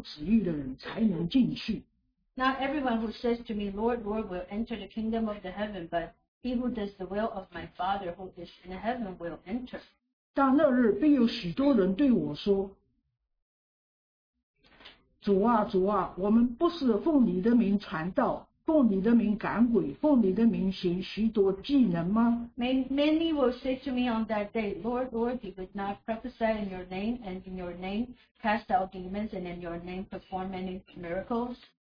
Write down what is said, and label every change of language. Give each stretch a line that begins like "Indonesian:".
English: Not everyone who says to me, Lord, Lord, will enter the kingdom of the heaven, but he who does the will of my Father who is in heaven will enter.
Chinese: 但那日必有许多人对我说, 主啊, 主啊, 我们不是奉你的名传道, 奉你的名赶鬼, 奉你的名行许多技能吗?
English: Many will say to me on that day, Lord, Lord, you would not prophesy in your name, and in your name cast out demons, and in your name perform many miracles.